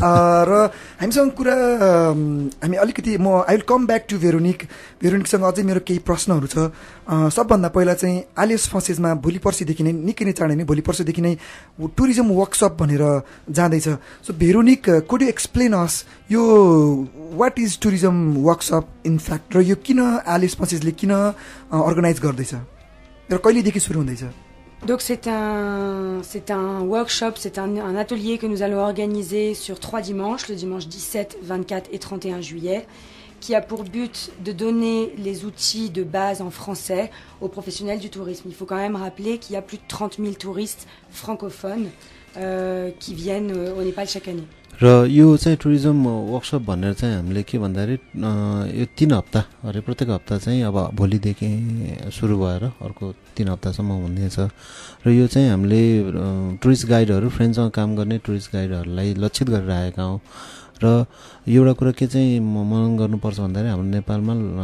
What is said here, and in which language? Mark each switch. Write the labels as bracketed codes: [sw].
[ne] र हामीसँग कुरा हामी अलिकति म [en] I will come back to [ne] भेरोनिकसँग अझै मेरो केही प्रश्नहरू छ सबभन्दा पहिला चाहिँ आलियस फन्सेजमा भोलि पर्सिदेखि नै निकै नै चाँडै नै भोलि पर्सिदेखि नै टुरिज्म वर्कसप भनेर जाँदैछ [en] so Veronique could you explain us यो what is tourism workshop in fact [ne] र यो किन आलियस फन्सेजले किन अर्गनाइज गर्दैछ र कहिलेदेखि सुरु हुँदैछ [fr] Donc c'est un workshop, c'est un atelier que nous allons organiser sur trois dimanches, le dimanche 17, 24 et 31 juillet, qui a pour but de donner les outils de base en français aux professionnels du tourisme. Il faut quand même rappeler qu'il y a plus de 30 000 touristes francophones qui viennent au Népal chaque année. [ne] र यो चाहिँ tourism workshop भनेर चाहिँ हामीले के भन्दाखेरि यो तिन हप्ता अरे प्रत्येक हप्ता चाहिँ अब भोलिदेखि सुरु भएर अर्को तिन हप्तासम्म हुनेछ र यो चाहिँ हामीले टुरिस्ट गाइडहरू फ्रेन्डसँग काम गर्ने टुरिस्ट गाइडहरूलाई लक्षित गरेर आएका हौँ र एउटा कुरा के चाहिँ म मनन गर्नुपर्छ भन्दाखेरि हाम्रो नेपालमा